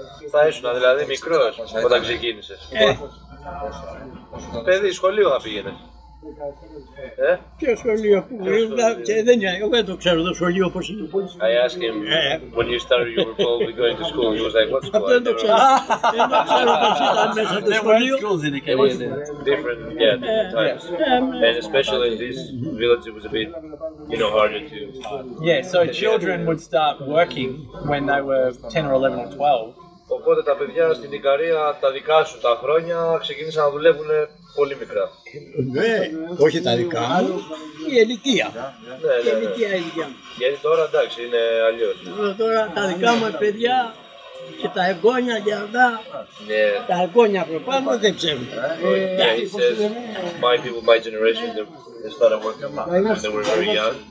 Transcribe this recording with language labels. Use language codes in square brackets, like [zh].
[el] Θα ήσουν, δηλαδή, μικρός όταν ξεκίνησες. Παιδί, σχολείο θα πήγαινες. Ποιο σχολείο που είναι, δεν είναι, εγώ δεν το ξέρω το σχολείο πώς είναι. [en] I asked him, when you started, you were probably going to school, he was like, what school? [el] Δεν το ξέρω πώς ήταν μέσα το σχολείο. [en] There were schools in Ikaria. It was different, yeah, different times. And especially in this village, it was a bit, you know, harder to... Yeah, so children would start working when they were 10 or 11 or 12. [el] Οπότε τα παιδιά στην Ικαρία, τα δικά σου τα χρόνια, ξεκίνησαν να δουλεύουν πολύ μικρά. Ναι, όχι τα δικά μου, η ηλικία. Ναι, ναι, ναι. Η ηλικία. Γιατί τώρα εντάξει, είναι αλλιώς. Τώρα τα δικά μας παιδιά και τα εγγόνια για αυτά, ναι. Τα εγγόνια από πάνω δεν ξέρουν. [en] Yeah, he says, my people, my generation, they started working when they were very young.